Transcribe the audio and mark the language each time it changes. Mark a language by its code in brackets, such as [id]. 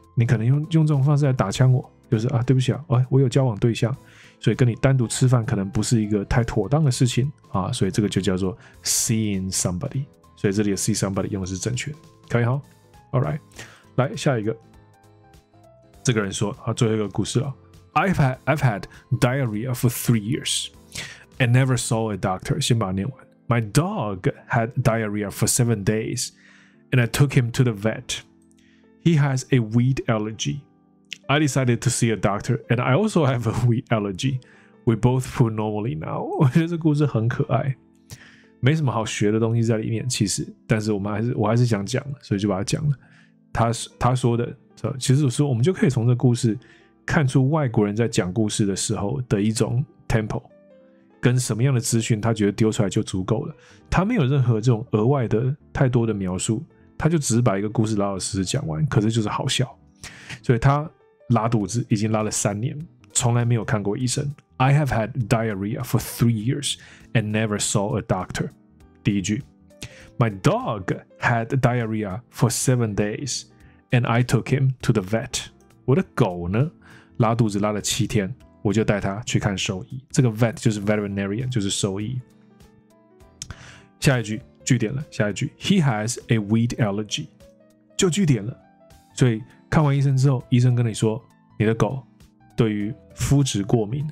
[zh] 你可能用这种方式来打枪我，就是啊，对不起啊，我有交往对象。所以跟你单独吃饭可能不是一个太妥当的事情、啊、所以这个就叫做 seeing somebody。所以这里的 see somebody 用的是正确，可以哈。Alright， 来下一个。这个人说、啊、最后一个故事了。 [en] I've had diarrhea for 3 years and never saw a doctor。 [zh] 先把它念完。 [en] My dog had diarrhea for 7 days and I took him to the vet。 He has a wheat allergyI decided to see a doctor, and I also have a wheat allergy. We both poo normally now. [zh] 我觉得这故事很可爱，没什么好学的东西在里面，其实。但是我还是想讲，所以就把它讲了。他说的，其实说我们就可以从这故事看出外国人在讲故事的时候的一种 tempo， 跟什么样的资讯他觉得丢出来就足够了。他没有任何这种额外的太多的描述，他就只是把一个故事老老实实讲完，可是就是好笑。所以他。拉肚子已经拉了3年，从来没有看过医生。 [en] I have had diarrhea for 3 years and never saw a doctor. [zh] 第一句 [en] ，My dog had diarrhea for 7 days and I took him to the vet. [zh] 我的狗呢，拉肚子拉了7天，我就带他去看兽医。这个 vet 就是 veterinarian， 就是兽医。下一句，句点了。下一句 ， [en] He has a wheat allergy， [zh] 就句点了。所以。看完医生之后，医生跟你说你的狗对于麸质过敏。